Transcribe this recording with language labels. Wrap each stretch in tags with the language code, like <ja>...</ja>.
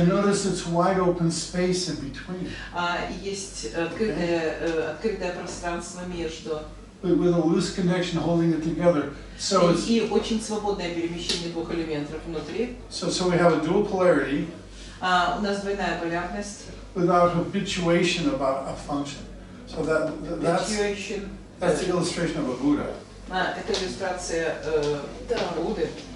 <en>And notice it's wide open space in between.</en> <ru>А есть открытое пространство между.</ru> <en>With a loose connection holding it together, so it's.</en> <ru>И очень свободное перемещение двух элементов внутри.</ru> <en>So we have a dual polarity.</en> <ru>У нас двойная полярность.</ru> <en>Without habituation about a function, so that's. Habituation. That's the illustration of a Buddha.</en> <ru>Это иллюстрация Будды.</ru>